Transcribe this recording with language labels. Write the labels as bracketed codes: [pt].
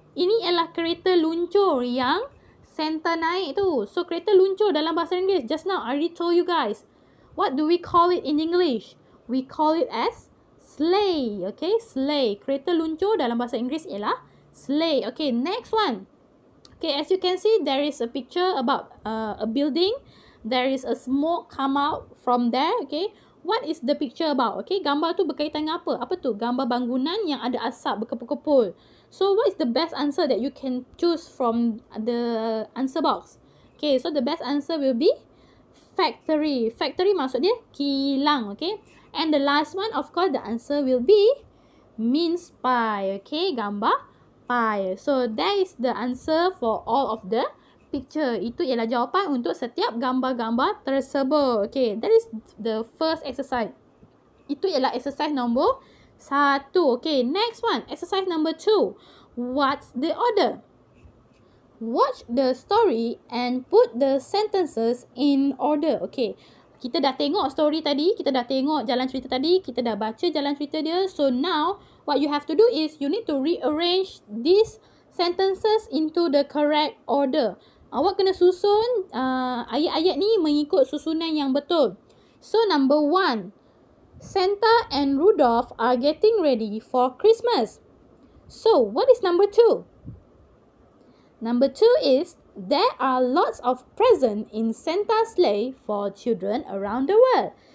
[ms] Ini ialah kereta luncur yang Santa naik tu. [en] So, [ms] kereta luncur dalam bahasa Inggeris. [en] Just now, I already told you guys. What do we call it in English? We call it as sleigh, okay? Sleigh. [ms] Kereta luncur dalam bahasa Inggeris ialah sleigh. [en] Okay, next one. Okay, as you can see, there is a picture about a building. There is a smoke come out from there, okay? What is the picture about? [ms] Okay, gambar tu berkaitan dengan apa? Apa tu? Gambar bangunan yang ada asap berkepul-kepul. [en] So, what is the best answer that you can choose from the answer box? Okay, so the best answer will be factory. Factory [ms] maksudnya kilang, [en] okay? And the last one, of course, the answer will be mince pie, okay? [ms] Gambar pie. [en] So, that is the answer for all of the picture. [ms] Itu ialah jawapan untuk setiap gambar-gambar tersebut. [en] Okay, that is the first exercise. [ms] Itu ialah [en] exercise number 1. Okay, next one. Exercise number 2. What's the order? Watch the story and put the sentences in order. [ms] Okay, kita dah tengok story tadi. Kita dah tengok jalan cerita tadi. Kita dah baca jalan cerita dia. [en] So, now what you have to do is you need to rearrange these sentences into the correct order. [ms] Awak kena susun ayat-ayat ni mengikut susunan yang betul. [en] So, number one. Santa and Rudolph are getting ready for Christmas. So, what is number two? Number two is there are lots of presents in Santa's sleigh for children around the world.